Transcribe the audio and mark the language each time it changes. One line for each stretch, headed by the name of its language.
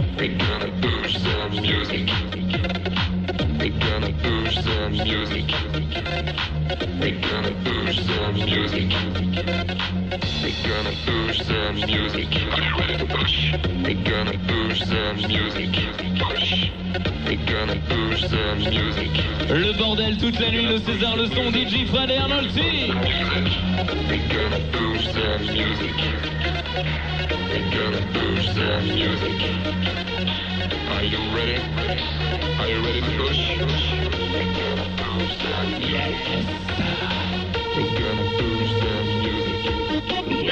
English: We're gonna push the music, we're gonna push the music, we're gonna push the music, we're gonna push the music, we're ready to push. We're gonna push the music, push. We're gonna push the music.
French: Le bordel toute la nuit de César, le son DJ Fred et Arnold T.
English: We're gonna push the music. We're gonna push the music. Are you ready? Are you ready to push? We're gonna push the music. We're gonna push the music.